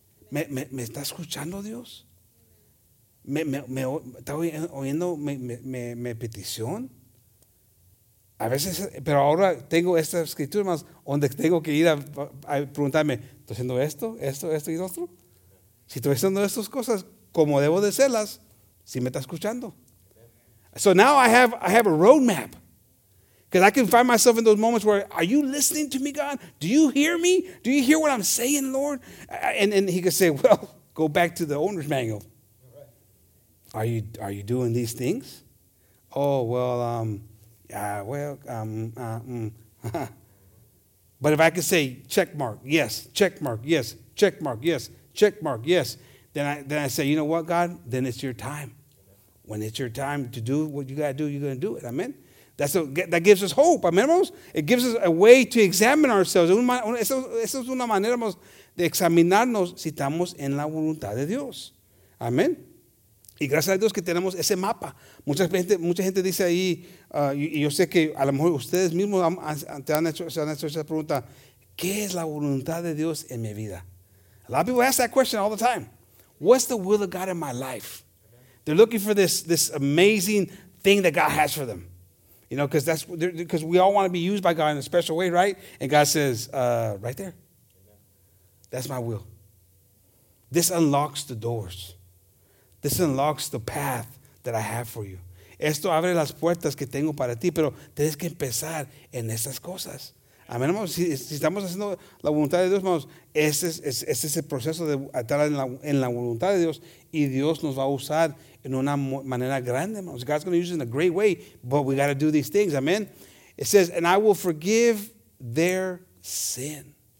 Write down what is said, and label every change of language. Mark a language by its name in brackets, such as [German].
[Spanish] ¿Me está escuchando Dios? ¿Me está oyendo mi petición? A veces, pero ahora tengo esta escritura más donde tengo que ir a preguntarme, ¿estoy haciendo esto y otro? Si estoy haciendo estas cosas como debo de hacerlas, ¿sí me está escuchando? [English] So now I have a roadmap. Because I can find myself in those moments where, are you listening to me, God? Do you hear me? Do you hear what I'm saying, Lord? And he could say, well, go back to the owner's manual. Are you doing these things? Oh, well, But if I could say, check mark, yes, check mark, yes, check mark, yes, check mark, yes, then I say, you know what, God? Then it's your time. When it's your time to do what you got to do, you're going to do it. Amen? That gives us hope, amen, hermanos? It gives us a way to examine ourselves. [Spanish] Esa es una manera, hermanos, de examinarnos si estamos en la voluntad de Dios. Amén. Y gracias a Dios que tenemos ese mapa. Mucha gente dice ahí, y yo sé que a lo mejor ustedes mismos se han hecho esa pregunta, ¿qué es la voluntad de Dios en mi vida? [English] A lot of people ask that question all the time. What's the will of God in my life? They're looking for this amazing thing that God has for them. You know, because we all want to be used by God in a special way, right? And God says, right there. That's my will. This unlocks the doors. This unlocks the path that I have for you. [Spanish] Esto abre las puertas que tengo para ti, pero tienes que empezar en esas cosas. Amén, hermanos, si estamos haciendo la voluntad de Dios, hermanos, ese es el proceso de estar en la voluntad de Dios y Dios nos va a usar en una manera grande, hermanos. [English] God's going to use it in a great way, but we got to do these things, amen. It says, and I will forgive their sin.